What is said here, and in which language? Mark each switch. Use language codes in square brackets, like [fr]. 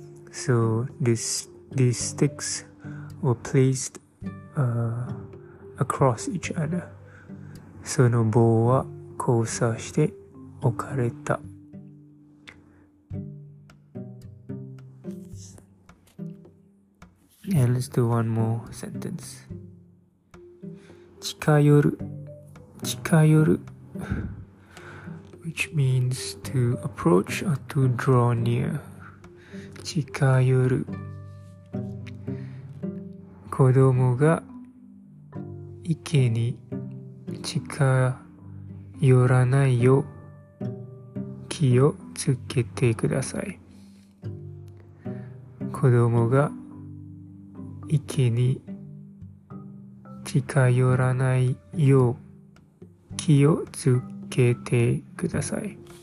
[en] So these sticks were placed across each other. [ja] その棒は交差して置かれた。 [en] And let's do one more sentence. 近寄る, which means to approach or to draw near. [ja] 近寄る。子供が池に近寄らないよう気をつけてください。子供が池に近寄らないよう気をつけてください。